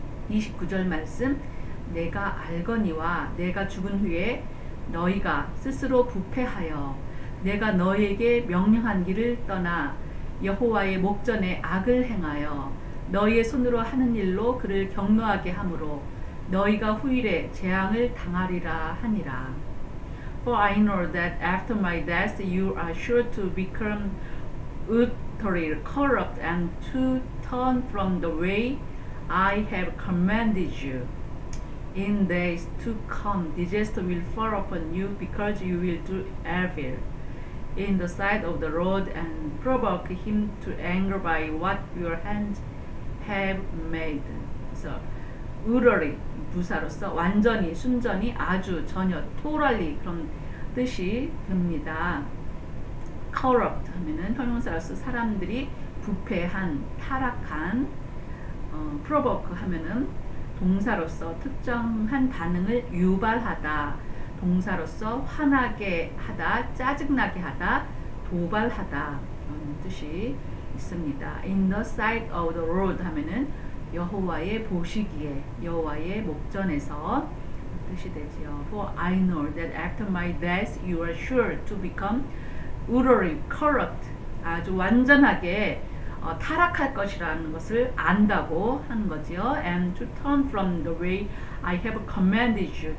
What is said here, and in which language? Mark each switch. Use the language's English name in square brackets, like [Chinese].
[Korean] 29절 말씀, 내가 알거니와 내가 죽은 후에 너희가 스스로 부패하여 내가 너희에게 명령한 길을 떠나 여호와의 목전에 악을 행하여 너희의 손으로 하는 일로 그를 경노하게 함으로 너희가 후일에 재앙을 당하리라 하니라. [English] Oh, I know that after my death, you are sure to become utterly corrupt and to turn from the way I have commanded you. In days to come, disaster will fall upon you because you will do evil in the sight of the Lord and provoke him to anger by what your hands have made. [Korean] 의러리, 부사로서 완전히, 순전히, 아주, 전혀, 토랄리 그런 뜻이 됩니다. corrupt 하면은 형용사로서 사람들이 부패한, 타락한, provoke 하면은 동사로서 특정한 반응을 유발하다, 동사로서 화나게 하다, 짜증나게 하다, 도발하다 그런 뜻이 있습니다. [English] In the sight of the Lord [Korean] 하면은 여호와의 보시기에, 여호와의 목전에서 뜻이 되지요. [English] For I know that after my death you are sure to become utterly corrupt. [Korean] 아주 완전하게 타락할 것이라는 것을 안다고 한 거지요. [English] And to turn from the way I have commanded you.